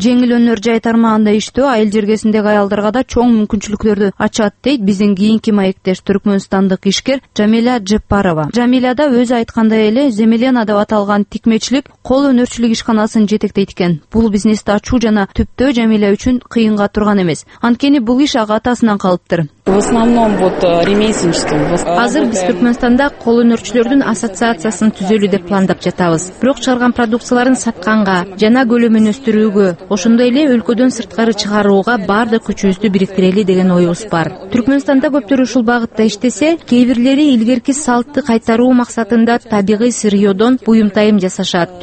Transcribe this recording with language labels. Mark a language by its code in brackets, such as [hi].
[ky] Жеңил өнөр жай тармагында иштөө айыл жергесиндеги аялдарга да чоң мүмкүнчүлүктөрдү ачат, дейт биздин кийинки маектеш түркмөнстандык ишкер Жамиля Джеппарова. Жамиля да өзү айткандай эле Земелена деп аталган тикмечилик кол өнөрчүлүк ишканасын жетектейт экен. Бул бизнести ачуу жана түптөө Жамиля үчүн кыйынга турган эмес. Анткени бул иш ага атасынан калыптыр. [ru] В основном вот ремесленничеством. [ky] Азыр биз Түркмөнстанда кол өнөрчүлөрдүн ассоциациясын түзөлү деп пландап жатабыз. Бирок чыгарган продукцияларын сатканга жана көлөмүн өстүрүүгө, ошондой эле өлкөдөн сырткары чыгарууга бардык күчүбүздү бириктирели деген оюбуз бар. Түркмөнстанда көптөр ушул багытта иштесе, кээ бирлери илгерки салтты кайтаруу максатында табигый сырьёдон буюмтайым жасашат.